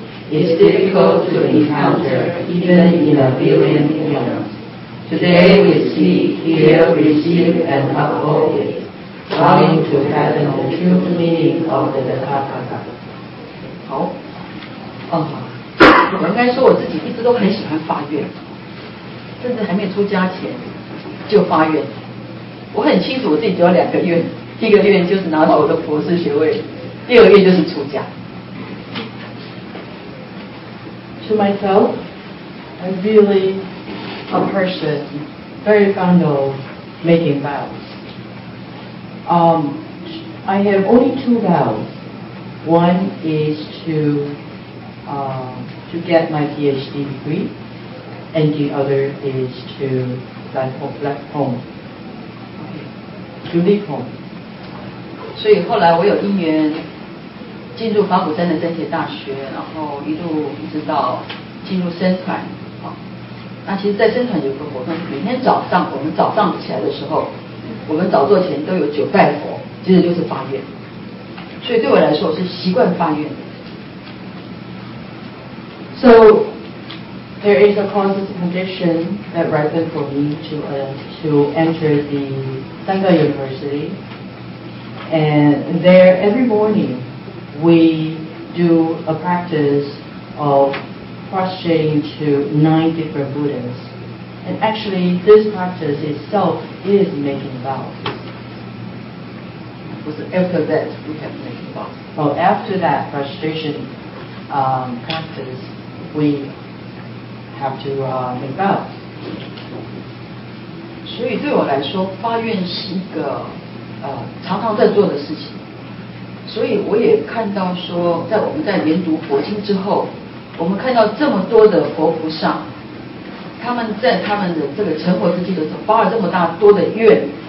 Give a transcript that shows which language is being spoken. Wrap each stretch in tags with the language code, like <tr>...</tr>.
<en>It's difficult to encounter even in a billion years. Today we see, hear, receive, and uphold it, trying to fathom the true meaning of the Dhammapada. 好，嗯，</en> <zh>我应该说我自己一直都很喜欢发愿，甚至还没出家前就发愿。我很清楚我自己只有两个愿，第一个愿就是拿到我的博士学位，第二个愿就是出家。</zh> <en>To myself, I'm really a person very fond of making vows. I have only two vows. One is to get my PhD degree, and the other is to leave home. To leave home.</en> <zh>所以后来我有因缘进入法鼓山的真解大学，然后一路一直到进入僧团、哦、那其实在僧团有个活动，每天早上我们早上起来的时候，我们早坐前都有九拜佛，接着就是发愿，所以对我来说是习惯发愿的。</zh> <en>So there is a conscious condition that ripened for me to enter theSangha University, and there every morning we do a practice of prostrating to nine different Buddhas, and actually this practice itself is making vows. After that, we have making vows. Well, after that prostration practice, we have to make vows.</en> <zh>所以对我来说，发愿是一个常常在做的事情。所以我也看到说，在我们在研读佛经之后，我们看到这么多的佛菩萨，他们在他们的这个成佛之际的时候，发了这么大多的愿。</zh>